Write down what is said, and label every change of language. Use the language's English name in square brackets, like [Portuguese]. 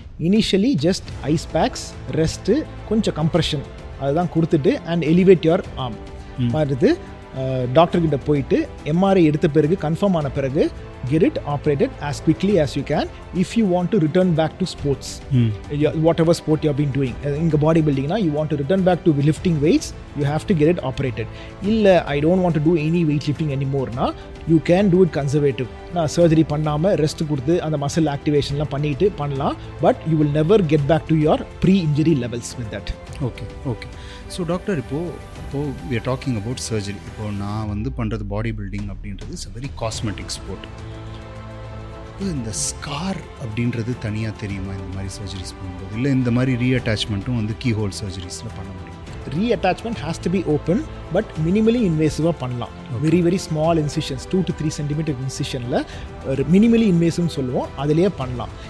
[English] Initially just ice packs, rest, கொஞ்சம் compression அதுதான் கொடுத்துட்டு அண்ட் எலிவேட் யுவர் ஆர்ம் பார்த்து டாக்டர்கிட்ட போயிட்டு எம்ஆர்ஐ எடுத்த பிறகு கன்ஃபார்ம் ஆன பிறகு get it operated as quickly as you can if you want to return back to sports, whatever sport you have been doing. In the bodybuilding na, you want to return back to lifting weights, you have to get it operated. Illa I don't want to do any weight lifting anymore na, you can do it conservative na, [Tamil] surgery pannaama rest kuduthu [English] and the muscle activation la pannittu pannalam, but you will never get back to your pre injury levels with that. Okay so doctor, ipo we are talking about surgery. [Tamil] Ipo na vandu pandrathu bodybuilding appindrathu [English] is a very cosmetic sport. [Tamil] இந்த scar அப்படின்றது தனியாக தெரியுமா இந்த மாதிரி surgeries பண்ணும்போது, இல்லை இந்த மாதிரி ரீ அட்டாச்மெண்ட்டும் வந்து கீ ஹோல் சர்ஜரிஸில் பண்ண முடியும்? [English] Reattachment has to be open but minimally இன்வேசிவாக பண்ணலாம். Very very small incisions, 2-3 centimetre இன்சிஷனில் minimally இன்வேசிவ்னு [Tamil] சொல்லுவோம், அதிலேயே பண்ணலாம்.